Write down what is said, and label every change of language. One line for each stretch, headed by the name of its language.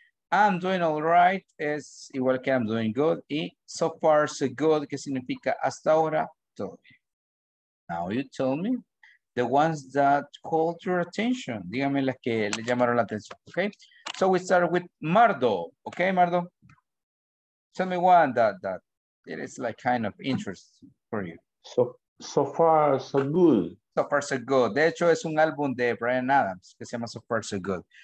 English: I'm doing all right,
Spanish: es igual que
English: I'm doing good.
Spanish: Y
English: so far, so good,
Spanish: que significa hasta ahora, todo bien.
English: Now you tell me, the ones that called your attention,
Spanish: díganme las que le llamaron la atención,
English: okay? So we start with Mardo, okay, Mardo? Tell me one that it is like kind of interesting for you. So far, so good. So far, so good.
Spanish: De hecho, es un álbum de Brian Adams que se llama So Far, So Good.